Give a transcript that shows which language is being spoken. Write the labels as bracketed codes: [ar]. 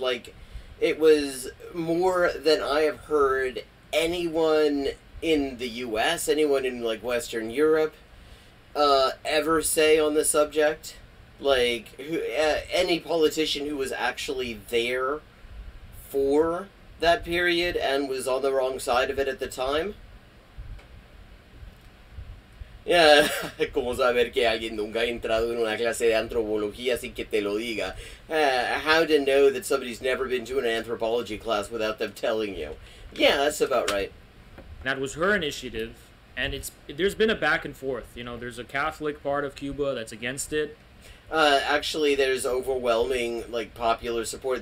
[en] Like, it was more than I have heard anyone in the U.S., anyone in, like, Western Europe, ever say on the subject. Like, any politician who was actually there for that period and was on the wrong side of it at the time. [es] Yeah, como saber que alguien nunca ha entrado en una clase de antropología sin que te lo diga. [en] How to know that somebody's never been to an anthropology class without them telling you. Yeah, that's about right. That was her initiative, and there's been a back and forth. You know, there's a Catholic part of Cuba that's against it. Actually, there's overwhelming, like, popular support.